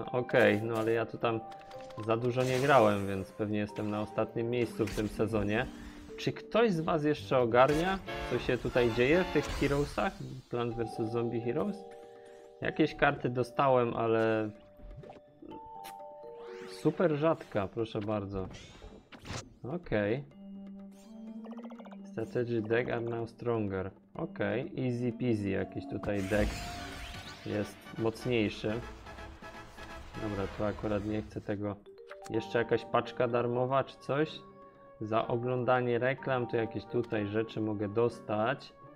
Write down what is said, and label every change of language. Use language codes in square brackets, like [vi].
[pl] Okej, okay, no ale ja tu tam za dużo nie grałem, więc pewnie jestem na ostatnim miejscu w tym sezonie. Czy ktoś z was jeszcze ogarnia, co się tutaj dzieje w tych Heroesach? Plants vs. Zombie Heroes? Jakieś karty dostałem, ale... Super rzadka, proszę bardzo. Okej. Okay. [en] Strategy deck are now stronger. [pl] Okej, okay. [en] Easy peasy, [pl] jakiś tutaj deck jest mocniejszy. Dobra, to akurat nie chcę tego. Jeszcze jakaś paczka darmowa czy coś? Za oglądanie reklam to jakieś tutaj rzeczy mogę dostać.